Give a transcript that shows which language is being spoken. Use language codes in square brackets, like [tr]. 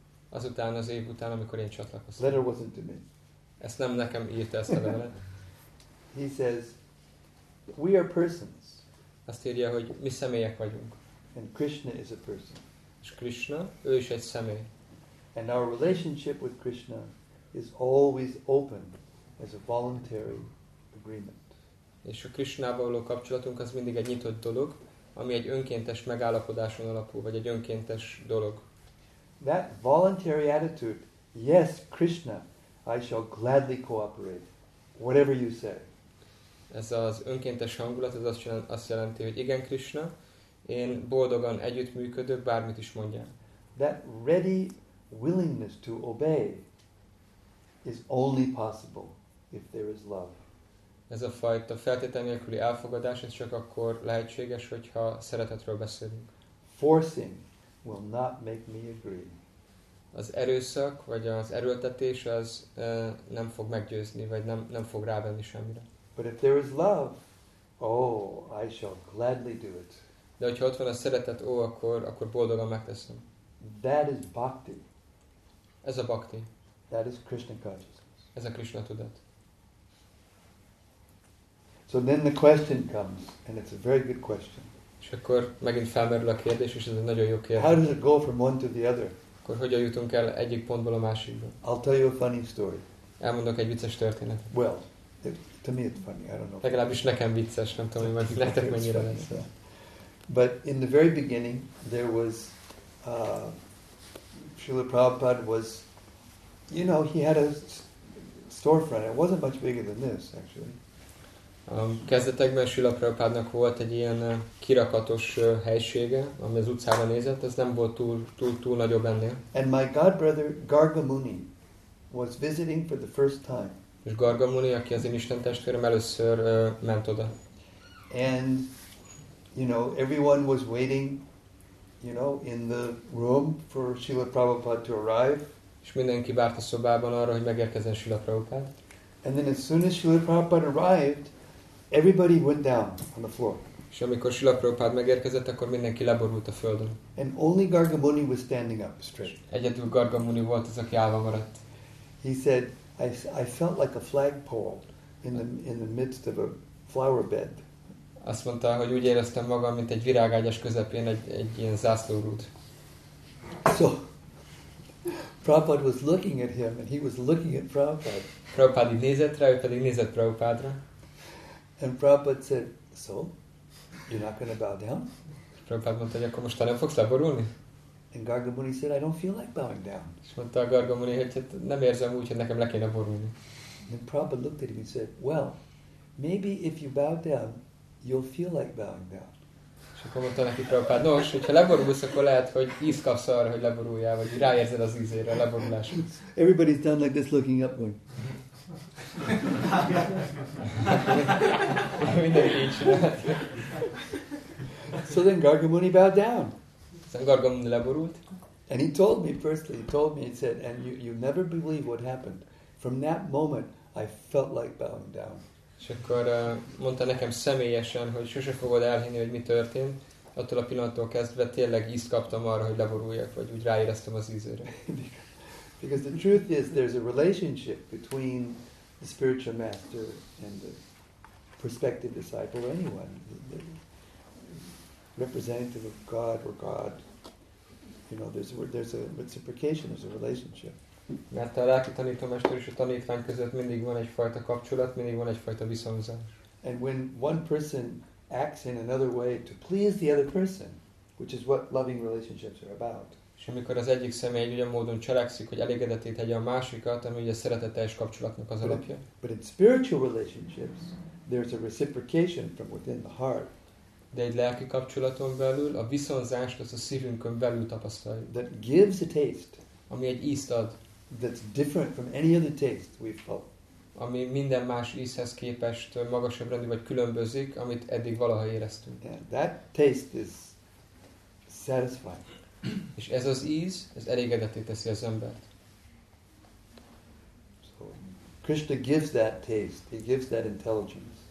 [hu] Azután, az év után, amikor én csatlakoztam. [en] Letter wasn't to me. [hu] Ezt nem nekem írta, ezt a levelet. [en] He says, we are persons. [hu] Azt írja, hogy mi személyek vagyunk. [en] And Krishna is a person. [hu] És Krishna, ő is egy személy. [en] And our relationship with Krishna is always open as a voluntary agreement. [hu] És a Krishnával való kapcsolatunk az mindig egy nyitott dolog, ami egy önkéntes megállapodáson alapul, vagy egy önkéntes dolog. [en] That voluntary attitude, yes, Krishna, I shall gladly cooperate, whatever you say. [hu] Ez az önkéntes hangulat, ez azt jelenti, hogy igen, Krishna, én boldogan együttműködök, bármit is mondjál. [en] That ready willingness to obey is only possible if there is love. [hu] Ez a fajta feltétel nélküli elfogadás, ez csak akkor lehetséges, hogyha szeretetről beszélünk. [en] Forcing will not make me agree. [hu] Az erőszak, vagy az erőltetés, az nem fog meggyőzni, vagy nem fog rávenni semmire. [en] But if there is love, oh, I shall gladly do it. [hu] De hogyha ott van a szeretet, ó, akkor boldogan megteszem. [en] That is bhakti. [hu] Ez a bhakti. [en] That is Krishna consciousness. [hu] Ez a Krishna tudat. [en] So then the question comes, and it's a very good question. [hu] És akkor megint felmerül a kérdés, és ez egy nagyon jó kérdés. [en] How does it go from one to the other? [hu] Akkor hogyan jutunk el egyik pontból a másikba? [en] I'll tell you a funny story. [hu] Elmondok egy vicces történetet. [en] Well, to me it's funny, I don't know. [hu] Legalábbis nekem vicces, nem tudom, hogy lehetek mennyire lesz. [en] But in the very beginning, there was Srila Prabhupada was, you know, he had a storefront. It wasn't much bigger than this, actually. [hu] Kezdetekben Srila Prabhupádnak volt egy ilyen kirakatos helysége, ami az utcára nézett. Ez nem volt túl nagyobb ennél. [en] And my godbrother Garga Muni was visiting for the first time. [hu] És Garga Muni, aki az én Isten testvérem, először ment oda. [en] And you know, everyone was waiting, you know, in the room for Srila Prabhupada to arrive. [hu] És mindenki várt a szobában arra, hogy megérkezzen Srila Prabhupada. [en] And then as soon as Srila Prabhupada arrived, Everybody went down on the floor. [hu] És amikor Srila Prabhupád megérkezett, akkor mindenki leborult a földön. [en] And only Gargamuni was standing up straight. [hu] Egyedül Gargamuni volt az, aki állva maradt. [en] He said, I felt like a flagpole in the midst of a flower bed. [hu] Azt mondta, hogy úgy éreztem magam, mint egy virágágyas közepén egy ilyen zászlórút. [en] So, Prabhupád was looking at him, and he was looking at Prabhupád. [hu] Prabhupád így nézett rá, ő pedig nézett Prabhupádra. [en] And Prabhupád said, so, you're not going to bow down? [hu] Prabhupád mondta, hogy akkor most nem fogsz leborulni? [en] And Gargamuni said, I don't feel like bowing down. [hu] És mondta a Gargamuni, hogy hát nem érzem úgy, hogy nekem le kéne borulni. [en] And Prabhupád looked at him and said, well, maybe if you bow down, you'll feel like bowing down. [hu] És akkor mondta neki Prabhupád, nos, hogyha leborulsz, akkor lehet, hogy íz kapsz arra, hogy leboruljál, vagy ráérzed az ízére a leboruláshoz. [en] Everybody's down like this looking up going. [hu] Mindenki így csinált. [en] So then Gargamuni bowed down. [hu] Aztán Gargamuni leborult. [en] And he told me firstly, he told me, he said, and you never believe what happened. From that moment, I felt like bowing down. [hu] És akkor mondta nekem személyesen, hogy sose fogod elhinni, hogy mi történt. Attól a pillanattól kezdve tényleg ízt kaptam arra, hogy leboruljak, vagy úgy ráéreztem az ízőre. [en] Because the truth is, there's a relationship between the spiritual master and the prospective disciple, or anyone, the representative of God or God. You know, there's a reciprocation, there's a relationship. [hu] Mert a lelki tanítómester és a tanítvány között mindig van egyfajta kapcsolat, mindig van egyfajta viszonyzás. [en] And when one person acts in another way to please the other person, which is what loving relationships are about. [hu] És amikor az egyik személy egy olyan módon cselekszik, hogy elégedetté tegye a másikat, ami ugye a szeretetteljes kapcsolatnak az alapja. [en] But in spiritual relationships, there's a reciprocation from within the heart. [hu] De egy lelki kapcsolaton belül a viszonzást az a szívünkön belül tapasztalja. [en] That gives a taste. [hu] Ami egy ízt ad. [en] That's different from any other taste we've felt. [hu] Ami minden más ízhez képest magasabb rendű vagy különbözik, amit eddig valaha éreztünk. [en] Yeah, that taste is satisfying. [hu] És ez az íz, ez elégedetté teszi az embert. [en] So, Krishna gives that taste. He gives that intelligence.